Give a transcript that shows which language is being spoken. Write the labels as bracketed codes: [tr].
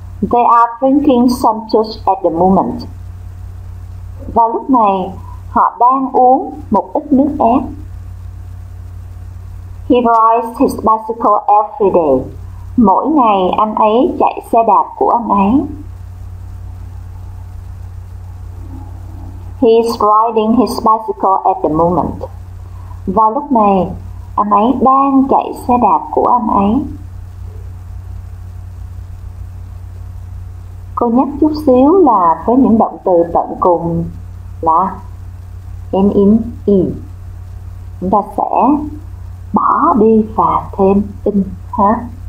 [en] They are drinking some juice at the moment. [vi] Vào lúc này, họ đang uống một ít nước ép. [en] He rides his bicycle every day. [vi] Mỗi ngày anh ấy chạy xe đạp của anh ấy. [en] He is riding his bicycle at the moment. [vi] Vào lúc này, anh ấy đang chạy xe đạp của anh ấy. Cô nhắc chút xíu là với những động từ tận cùng là in, chúng ta sẽ bỏ đi và thêm in ha.